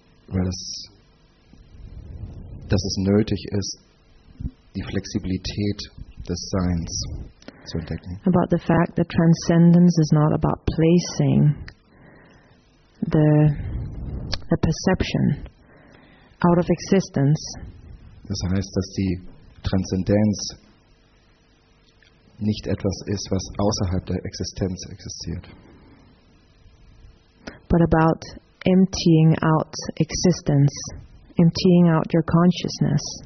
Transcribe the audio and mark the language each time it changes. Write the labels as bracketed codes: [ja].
[de] Dass es nötig ist, die Flexibilität des Seins zu entdecken. [en] About the fact that transcendence is not about placing the perception out of existence. [de] Das heißt, dass die Transzendenz nicht etwas ist, was außerhalb der Existenz existiert. [en] But about emptying out existence, emptying out your consciousness.